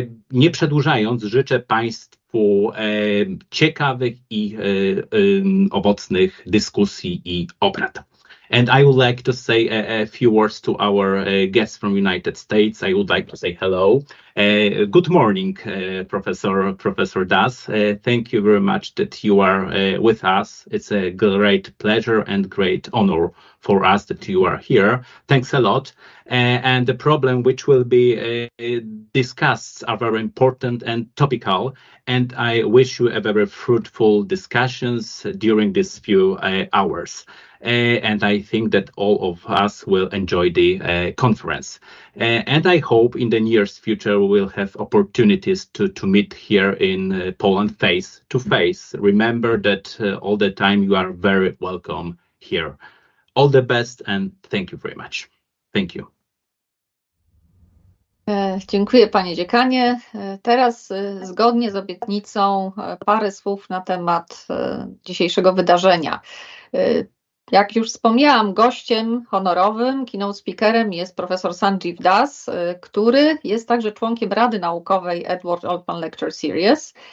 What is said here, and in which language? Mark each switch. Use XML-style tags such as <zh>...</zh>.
<pl>Nie przedłużając, życzę Państwu ciekawych i owocnych dyskusji i obrad.</pl> <en>And I would like to say a few words to our guests from United States. I would like to say hello. Good morning, Professor Das. Thank you very much that you are with us. It's a great pleasure and great honor for us that you are here. Thanks a lot. And the problem which will be discussed are very important and topical. And I wish you a very fruitful discussions during these few hours. And I think that all of us will enjoy the conference. And I hope in the near future we'll have opportunities to meet here in Poland face to face. Remember that all the time you are very welcome here. All the best and thank you very much. Thank you.</en> <pl>Dziękuję panie dziekanie. Teraz zgodnie z obietnicą parę słów na temat dzisiejszego wydarzenia. Jak już wspomniałam, gościem honorowym, keynote speakerem jest profesor Sanjeev Das, który jest także członkiem Rady Naukowej Edward Altman Lecture Series.</pl>